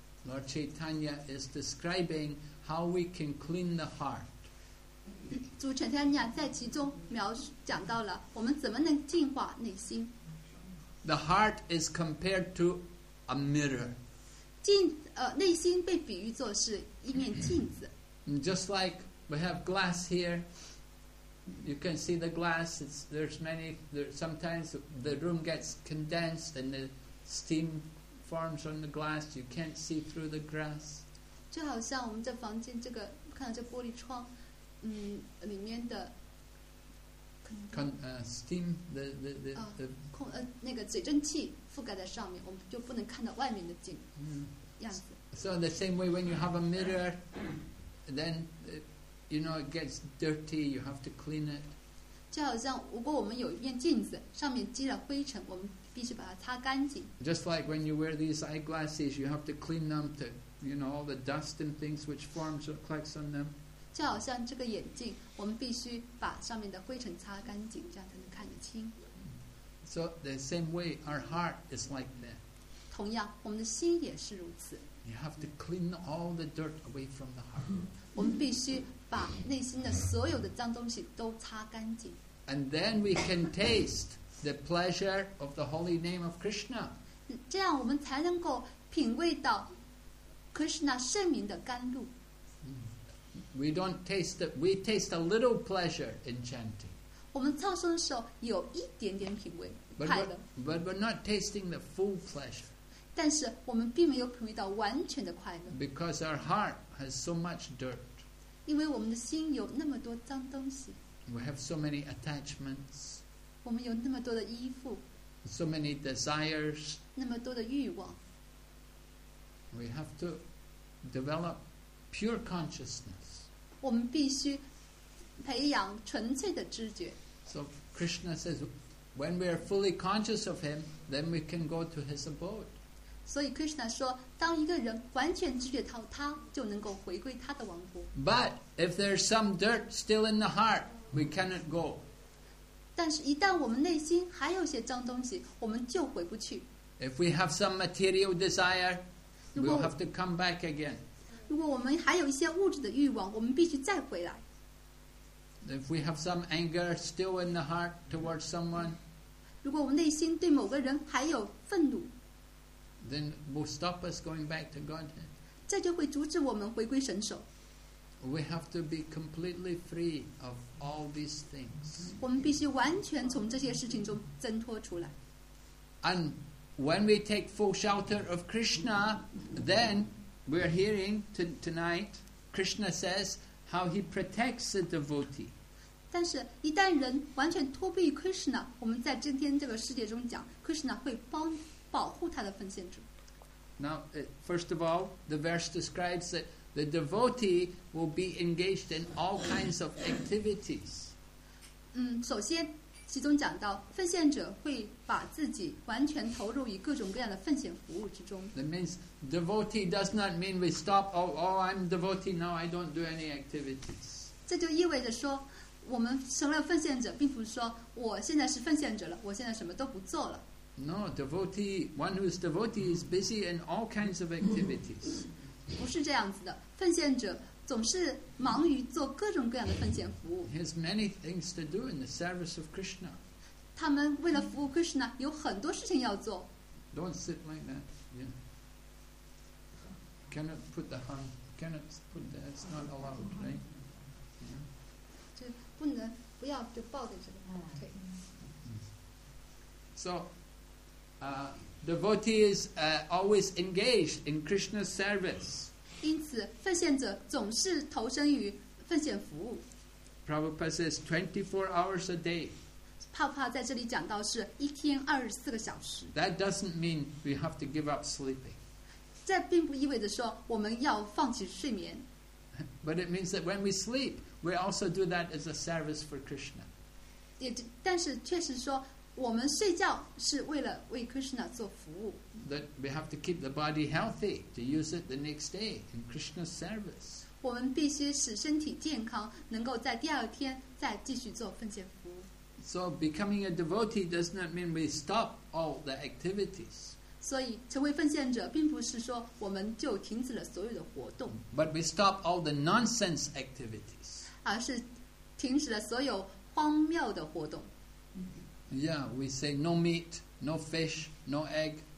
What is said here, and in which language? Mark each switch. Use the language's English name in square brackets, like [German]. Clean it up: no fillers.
[English] Lord Chaitanya is describing how we can clean the heart. [Chinese] 主陈天雅在其中描述讲到了我们怎么能净化内心。 [English] The heart is compared to a mirror. [Chinese] 内心被比喻作是一面镜子。 [English] Just like we have glass here, you can see the glass. Sometimes the room gets condensed and the steam forms on the glass. You can't see through the glass. [Chinese] 就好像我们在房间这个看到这玻璃窗，里面的 [English] steam the [Chinese] 空那个水蒸气覆盖在上面，我们就不能看到外面的景样子。 [English] So in the same way, when you have a mirror, then you know it gets dirty. You have to clean it. [Chinese] 就好像如果我们有一面镜子，上面积了灰尘，我们必须把它擦干净。 [English] Just like when you wear these eyeglasses, you have to clean them to, you know, all the dust and things which forms or collects on them. [Chinese] 就好像这个眼镜，我们必须把上面的灰尘擦干净，这样才能看得清。 [English] So the same way, our heart is like that. [Chinese] 同样，我们的心也是如此。 [English] You have to clean all the dirt away from the heart. [Chinese] 我们必须把内心的所有的脏东西都擦干净。 [English] And then we can taste the pleasure of the holy name of Krishna. [Chinese] 这样我们才能够品味到 Krishna 圣名的甘露。 [English] We don't taste it. We taste a little pleasure in chanting. [Chinese] 我们唱诵的时候有一点点品味快乐。 [English] But we're not tasting the full pleasure. [Chinese] 但是我们并没有品味到完全的快乐。 [English] Because our heart has so much dirt. [Chinese] 因为我们的心有那么多脏东西。 [English] We have so many attachments. [Chinese] 我们有那么多的依附。 [English] So many desires. [Chinese] 那么多的欲望。 [English] We have to develop pure consciousness. [Chinese] 我们必须培养纯粹的知觉。 [English] So Krishna says, when we are fully conscious of Him, then we can go to His abode. [Chinese] 所以 Krishna 说，当一个人完全知觉到他，就能够回归他的王国。 [English] But if there's some dirt still in the heart, we cannot go. [Chinese] 但是，一旦我们内心还有些脏东西，我们就回不去。 [English] If we have some material desire, we'll have to come back again. [Chinese] 如果我们还有一些物质的欲望，我们必须再回来。 [English] If we have some anger still in the heart towards someone, [Chinese] 如果我们内心对某个人还有愤怒， [English] then will stop us going back to Godhead. [Chinese] 这就会阻止我们回归神手。 [English] We have to be completely free of all these things. [Chinese] 我们必须完全从这些事情中挣脱出来。 [English] And when we take full shelter of Krishna, then we are hearing tonight, Krishna says how he protects the devotee. [Chinese] 但是一旦人完全脱离 Krishna, 我们在今天这个世界中讲 Krishna 会保护他的奉献者。 [English] Now, first of all, the verse describes that the devotee will be engaged in all kinds of activities. [Chinese] 首先其中讲到奉献者会把自己完全投入于各种各样的奉献服务之中。 [English] That means devotee does not mean we stop. I'm devotee now. I don't do any activities. [Chinese] 这就意味着说，我们成了奉献者，并不是说我现在是奉献者了，我现在什么都不做了。 [English] No, devotee, one who is devotee is busy in all kinds of activities. [Chinese] 不是这样子的，奉献者总是忙于做各种各样的奉献服务。 [English] He has many things to do in the service of Krishna. [Chinese] 他们为了服务 Krishna 有很多事情要做。 [English] Don't sit like that. Yeah. Cannot put the hand. Cannot put that. It's not allowed, right? Yeah. [Chinese] 就不能不要就抱着这个腿。 [English] So, devotee is always engaged in Krishna's service. [Chinese] 因此奉献者总是投身于奉献服务。 [English] Prabhupada says 24 hours a day. [Chinese] 帕帕在这里讲到是一天24个小时。 [English] That doesn't mean we have to give up sleeping. [Chinese] 这并不意味着说我们要放弃睡眠。 [English] But it means that when we sleep, we also do that as a service for Krishna. [Chinese] 也但是确实说，我们睡觉是为了为 Krishna 做服务。 [English] That we have to keep the body healthy to use it the next day in Krishna's service. [Chinese] 我们必须使身体健康，能够在第二天再继续做奉献服务。 [English] So becoming a devotee does not mean we stop all the activities. [Chinese] 所以成为奉献者并不是说我们就停止了所有的活动。 [English] But we stop all the nonsense activities. [Chinese] 而是停止了所有荒谬的活动。 [English] Yeah, we say no meat, no fish, no egg.